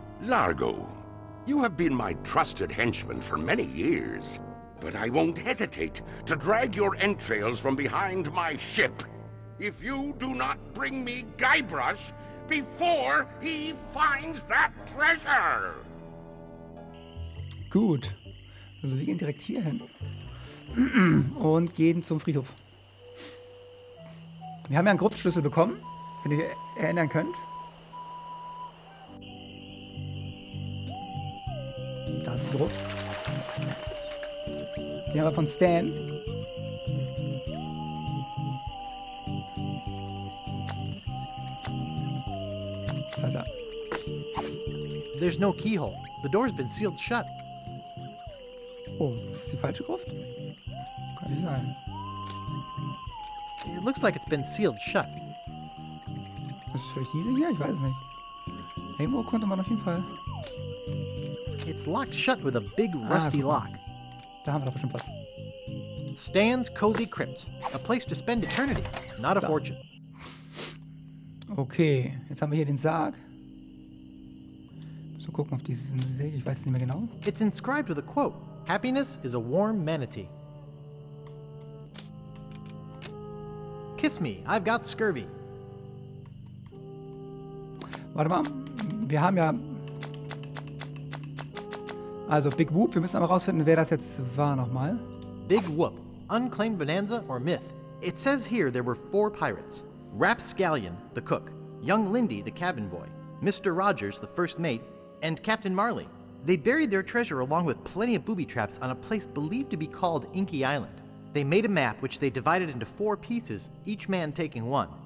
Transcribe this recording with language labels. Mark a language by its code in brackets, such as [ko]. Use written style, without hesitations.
[en] Largo, you have been my trusted henchman for many years, but I won't hesitate to drag your entrails from behind my ship if you do not bring me Guybrush before he finds that treasure! [de] Gut. Also wir gehen direkt hier hin und gehen zum Friedhof. Wir haben ja einen Gruppenschlüssel bekommen, wenn ihr erinnern könnt. Da ist die Gruft. Die haben wir von Stan. Da ist er. [en] There's no keyhole. The door's been sealed shut. [de] Oh, ist das die falsche Gruft? Kann nicht sein. [en] It looks like it's been sealed shut. [de] Ist das vielleicht diese hier? Ich weiß nicht. Irgendwo konnte man auf jeden Fall... [en] It's locked shut with a big rusty lock. [de] Da haben wir doch schon was. [en] Stan's cozy crypts, a place to spend eternity, not a fortune. [de] Okay, jetzt haben wir hier den Sarg. So gucken auf dieses See, ich weiß es nicht mehr genau. [en] It's inscribed with a quote: "Happiness is a warm manatee." Kiss me, I've got scurvy. [de] Warte mal, wir haben ja. Also, Big Whoop, wir müssen aber rausfinden, wer das jetzt war nochmal. [en] Big Whoop, unclaimed bonanza or myth. It says here there were four pirates. Rapscallion, the cook, young Lindy, the cabin boy, Mr. Rogers, the first mate, and Captain Marley. They buried their treasure along with plenty of booby traps on a place believed to be called Inky Island. They made a map which they divided into four pieces, each man taking one.